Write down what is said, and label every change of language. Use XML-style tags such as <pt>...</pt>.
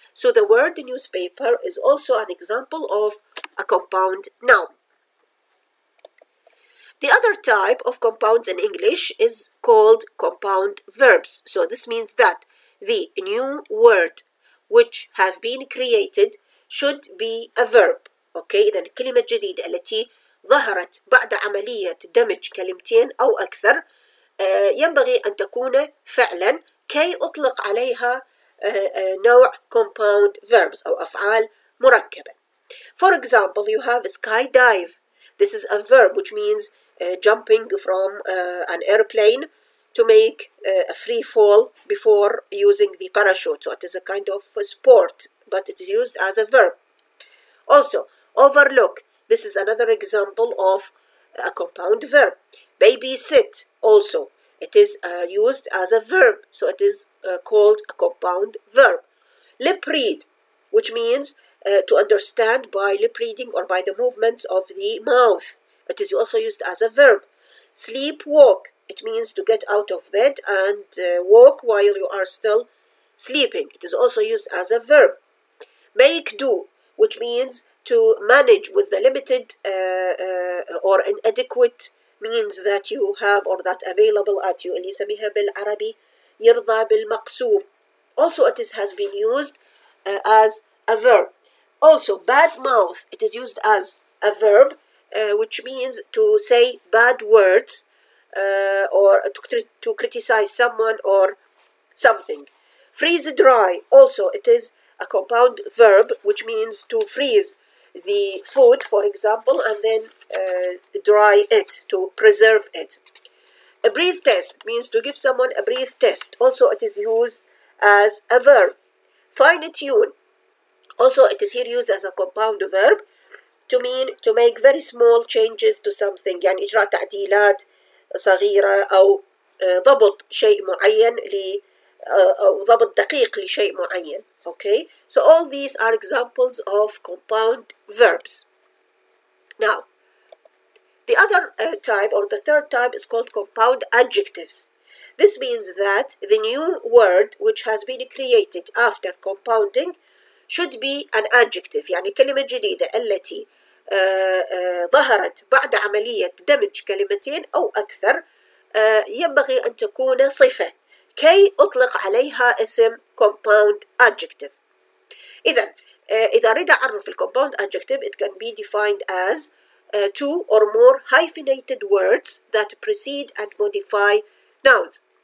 <en>So the word newspaper is also an example of a compound noun. The other type of compounds in English is called compound verbs. So this means that the new word which have been created should be a verb.</en> <ar>Okay, إذا كلمة جديدة التي ظهرت بعد عملية دمج كلمتين أو أكثر ينبغي أن تكون فعلا كي أطلق عليها نوع compound verbs أو أفعال مركبة.</ar> <en>For example, you have skydive. This is a verb which means jumping from an airplane to make a free fall before using the parachute. So it is a kind of a sport, but it is used as a verb. Also, overlook. This is another example of a compound verb. Babysit also. It is used as a verb, so it is called a compound verb. Lip read, which means to understand by lip reading or by the movements of the mouth. It is also used as a verb. Sleepwalk, it means to get out of bed and walk while you are still sleeping. It is also used as a verb. Make do, which means to manage with the limited or inadequate means that you have or that available at you.</en> <ar>اللي يسميها بالعربي يرضى بالمقسوم.</ar> <en>Also, it has been used as a verb. Also, bad mouth. It is used as a verb, which means to say bad words or to criticize someone or something. Freeze dry. Also, it is a compound verb, which means to freeze the food, for example, and then dry it, to preserve it. A breath test means to give someone a breath test. Also, it is used as a verb. Fine tune. Also, it is here used as a compound verb to mean to make very small changes to something.</en> <ar>يعني إجراء تعديلات صغيرة أو ضبط شيء معين أو ضبط دقيق لشيء معين.</ar> <en>Okay, so all these are examples of compound verbs. Now, the other type or the third type is called compound adjectives. This means that the new word which has been created after compounding should be an adjective.</en> <ar>يعني كلمة جديدة التي ظهرت بعد عملية دمج كلمتين أو أكثر ينبغي أن تكون صفة. كي أطلق عليها اسم compound adjective. إذن إذا أريد أعرف الـ</ar> <en>compound adjective, it can be defined as two or more hyphenated words that precede and modify nouns.</en>